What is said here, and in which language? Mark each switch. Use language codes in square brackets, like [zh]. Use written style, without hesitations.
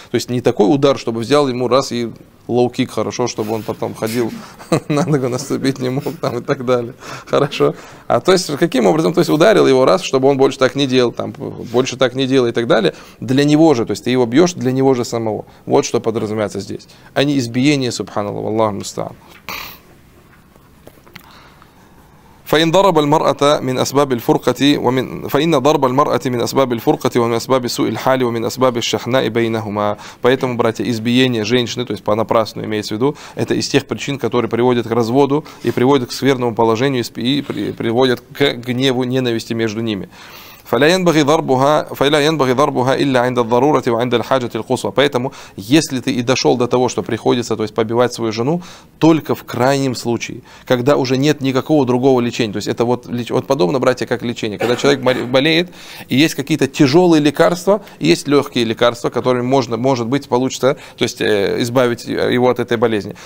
[ru] То есть не такой удар, чтобы взял ему раз и лоу-кик, хорошо, чтобы он потом ходил, на ногу наступить не мог там и так далее. Хорошо. А то есть каким образом, то есть ударил его раз, чтобы он больше так не делал, там, больше так не делал и так далее. Для него же, то есть ты его бьешь для него же самого. Вот что подразумевается здесь. А не избиение, субханаллах, Аллаху мустаан. [ar] فإن ضرب المرأة من أسباب الفرقة ومن فإن ضرب المرأة من أسباب الفرقة ومن أسباب سوء الحال ومن أسباب الشحناء بينهما. [ru] Поэтому, братья, избиение женщины, то есть понапрасну имеется в виду, это из тех причин, которые приводят к разводу и приводят к скверному положению и приводят к гневу, ненависти между ними. [ar] فلا ينبغي ضربها إلا عند الضرورة وعند الحاجة القصوى. [ru] Поэтому, если ты и дошел до того, что приходится, то есть побивать свою жену, только в крайнем случае, когда уже нет никакого другого лечения. То есть это вот, вот подобно, братья, как лечение. Когда человек болеет, и есть какие-то тяжелые лекарства, и есть легкие лекарства, которыми можно, может быть, получится, то есть избавить его от этой болезни.